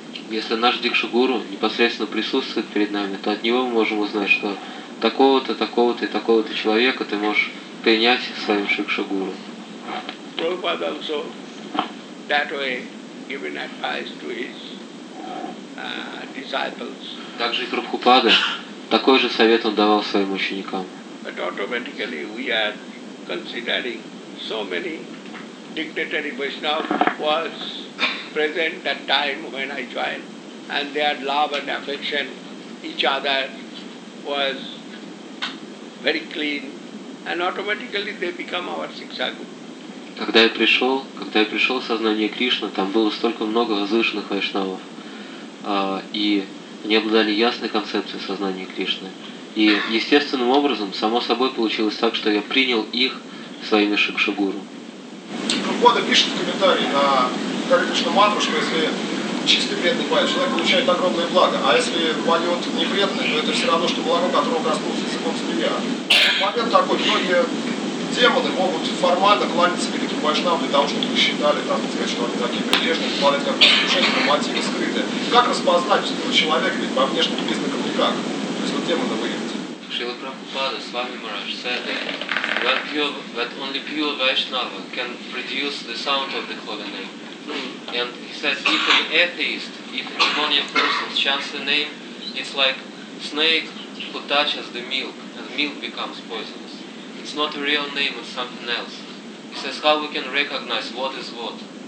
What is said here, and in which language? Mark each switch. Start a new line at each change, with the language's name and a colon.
Russian: Если наш Дикша Гуру непосредственно присутствует перед нами, то от него мы можем узнать, что такого-то, такого-то и такого-то человека ты можешь принять своим Шикша Гуру.
English: Prabhupada also that way given advice to his disciples.
Russian: Также и Прабхупада такой же совет он давал своим ученикам.
English: But automatically we are considering so many dignitary Vaishnavas present that time when I joined, and their love and affection each other was very clean, and automatically they become our Shiksha Guru.
Russian: Когда я пришел в сознание Кришны, там было столько много возвышенных вайшнавов, и они обладали ясной концепцией сознания Кришны. И естественным образом, само собой, получилось так, что я принял их своими Шикша Гуру. Прабхупада пишет в комментарии на Харикришна мантру, что если чистый преданный бхакти, человек получает огромное благо, а если бхакти не преданный, то это все равно, что молоко, которое коснулся языком змея. Момент такой, многие демоны могут формально кланяться великим вайшнавам для того, чтобы посчитали, там, сказать, что они такие прилежные, выполняют какое-то искушение, но мотивы скрыты. Как распознать этого человека, ведь по внешним признакам никак? То есть вот демона выявить. Шрила Прабхупада, Свами Мараш, Сэдэ.
English: That pure, that only pure Vaishnava can produce the sound of the holy name. And he says, if an atheist, if a demoniac person chants the name, it's like snake who touches the milk, and milk becomes poisonous. It's not a real name, it's something else. He says, how we can recognize what is what?